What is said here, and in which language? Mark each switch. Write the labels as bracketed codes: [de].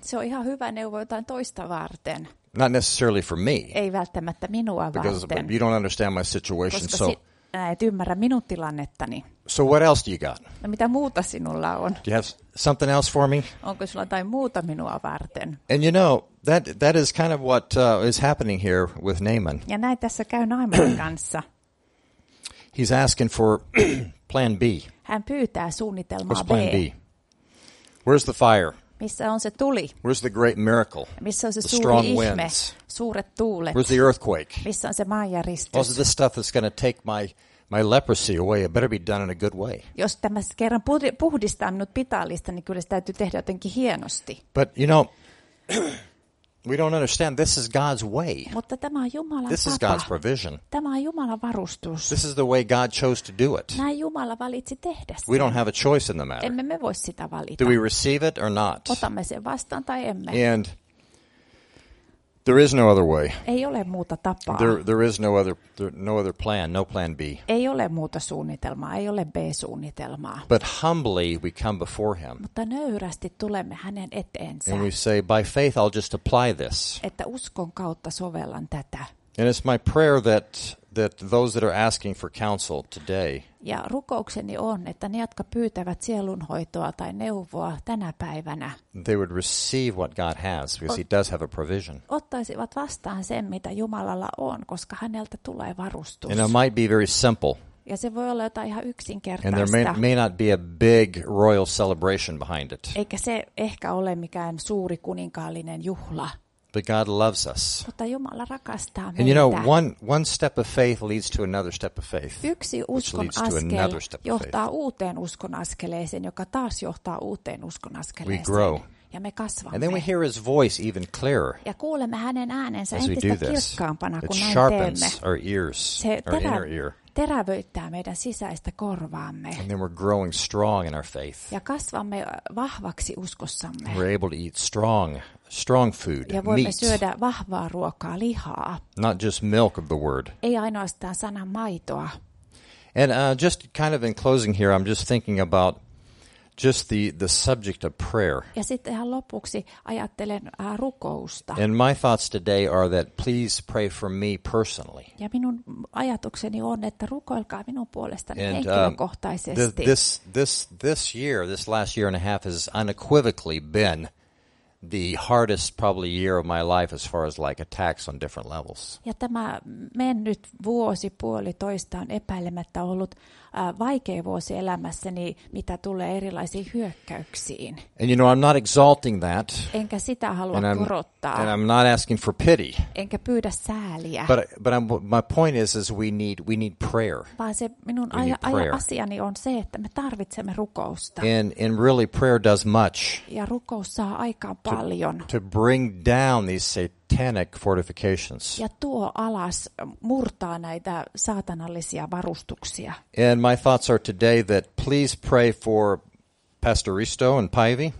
[fi] Se on ihan hyvä neuvo jotain toista varten. [en] Not necessarily for me. [fi] Ei välttämättä minua varten. [en] Because you don't understand my situation, [fi] koska et ymmärrä minun tilannettani. [en] So what else do you got? [fi] No, mitä muuta sinulla on? [en] Do you have something else for me? [fi] Onko sulla jotain muuta minua varten? [en] And you know, that is kind of what is happening here with Naaman. [fi] Ja näin tässä käy Naamanin kanssa. [en] He's asking for plan B. [fi] Hän pyytää suunnitelmaa [en] B. Plan B. Where's the fire? [fi] Missä on se tuli? [en] Where's the great miracle? [fi] Missä on se [en] the strong [fi] ihme? [en] Winds? [fi] Suuret tuulet. [en] Where's the earthquake? [fi] Missä on se maanjäristys? [en] All of this stuff is going to take my leprosy away. It better be done in a good way. [fi] Jos tämä kerran puhdistaa minut pitalista, niin kyllä se täytyy tehdä jotenkin hienosti. [en] But you know, we don't understand. This is God's way. [fi] Mutta tämä on Jumalan tapa. [en] This is God's provision. [fi] Tämä on Jumalan varustus. [en] This is the way God chose to do it. [fi] Näin Jumala valitsi tehdä sen. [en] We don't have a choice in the matter. [fi] Emme me voi sitä valita. [en] Do we receive it or not? [fi] Otamme sen vastaan tai emme. [en] And there is no other way. [fi] Ei ole muuta tapaa. [en] There is no other plan, no plan B. [fi] Ei ole muuta suunnitelmaa, ei ole B-suunnitelmaa. [en] But humbly we come before him. [fi] Mutta nöyrästi tulemme hänen eteensä. [en] And we say, by faith I'll just apply this. [fi] Että uskon kautta sovellan tätä. [en] And it's my prayer that those that are asking for counsel today. [fi] Ja rukoukseni on, että ne, jotka pyytävät sielunhoitoa tai neuvoa tänä päivänä, [en] they would receive what God has, because he does have a provision. [fi] Ottaisivat vastaan sen, mitä Jumalalla on, koska häneltä tulee varustus. [en] And it might be very simple. [fi] Ja se voi olla jotain ihan yksinkertaista. [en] And there may not be a big royal celebration behind it. [fi] Eikä se ehkä ole mikään suuri kuninkaallinen juhla. [en] But God loves us. [fi] Mutta Jumala rakastaa meitä. [en] And you know, one step of faith leads to another step of faith. [fi] Yksi uskon askel johtaa uuteen uskon askeleeseen, joka taas johtaa uuteen uskon askeleeseen. [en] We grow. [fi] Ja me kasvamme. [en] And then we hear his voice even clearer. [fi] Ja kuulemme hänen äänensä entistä kirkkaampana, kun näin teemme. [en] Our ears, [fi] se terävöittää meidän sisäistä korvaamme. [en] And then we're growing strong in our faith. [fi] Ja kasvamme vahvaksi uskossamme. [en] We're able to eat strong food, [fi] ja voimme [en] meat. [fi] Syödä vahvaa ruokaa, lihaa. [en] Not just milk of the word. [fi] Ei ainoastaan sanan maitoa. [en] And just kind of in closing here, I'm just thinking about just the subject of prayer. [fi] Ja sitten ihan lopuksi ajattelen rukousta. [en] And my thoughts today are that please pray for me personally. [fi] Ja minun ajatukseni on, että rukoilkaa minun puolestani henkilökohtaisesti. [en] This year, this last year and a half has unequivocally been the hardest probably year of my life as far as like attacks on different levels. [fi] Ja tämä mennyt vuosi puolitoista on epäilemättä ollut vaikea vuosi elämässäni, mitä tulee erilaisiin hyökkäyksiin. [en] And you know, I'm not exalting that. [fi] Enkä sitä halua korottaa. [en] And I'm not asking for pity. [fi] Enkä pyydä sääliä. [en] But my point is we need prayer. [fi] Vaan se minun asiani on se, että me tarvitsemme rukousta. [en] And really prayer does much. [fi] Ja rukous saa aikaan paljon. [en] To bring down these satanic fortifications. [fi] Ja tuo alas, murtaa näitä saatanallisia varustuksia. [en] And my thoughts are today that please pray for Pastor Risto and Päivi.